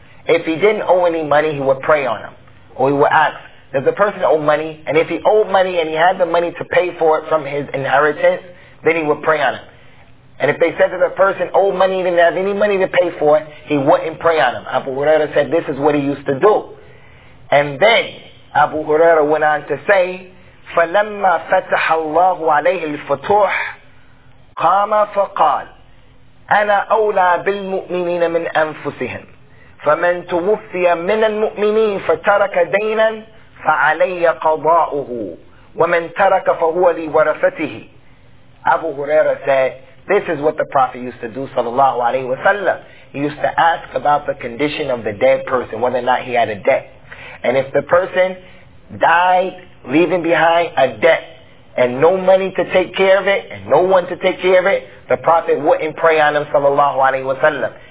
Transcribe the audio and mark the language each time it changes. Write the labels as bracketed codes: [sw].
[en] If he didn't owe any money, he would pray on him. Or he would ask, does the person owe money? And if he owed money and he had the money to pay for it from his inheritance, then he would pray on him. And if they said to the person, owe money, didn't have any money to pay for it, he wouldn't pray on him. Abu Huraira said, this is what he used to do. [ar] And then Abu Huraira went on to say, فَلَمَّا فَتَحَ اللَّهُ عَلَيْهِ الْفُتُوحِ قَامَ فَقَالْ أَنَا أَوْلَى بِالْمُؤْمِنِينَ مِنْ أَنفُسِهِمْ فَمَنْ تُوُفِّيَ مِنَ الْمُؤْمِنِينَ فَتَرَكَ دَيْنًا فَعَلَيَّ قَضَاؤُهُ وَمَنْ تَرَكَ فَهُوَ لِوَرَفَتِهِ. [en] Abu Huraira said, this is what the Prophet used to do, sallallahu alayhi wa sallam. He used to ask about the condition of the dead person, whether or not he had a debt. And if the person died leaving behind a debt and no money to take care of it and no one to take care of it, the Prophet wouldn't pray on him, sallallahu alayhi wa sallam.